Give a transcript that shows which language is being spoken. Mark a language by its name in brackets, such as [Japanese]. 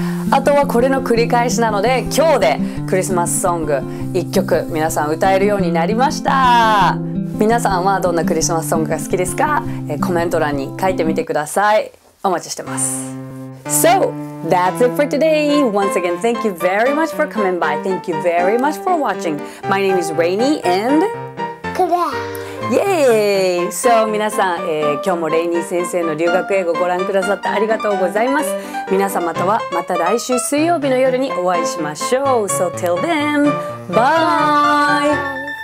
[Japanese] あとはこれの繰り返しなので、今日でクリスマスソング1曲皆さん歌えるようになりました。皆さんはどんなクリスマスソングが好きですか？コメント欄に書いてみてください。お待ちしてます。 [English] So that's it for today. Once again, thank you very much for coming by. Thank you very much for watching. My name is Rainy and Kura. Yay! [Japanese] So 皆さん、今日もレイニー先生の留学英語をご覧くださってありがとうございます。皆様とはまた来週水曜日の夜にお会いしましょう。 [English] So till then, bye!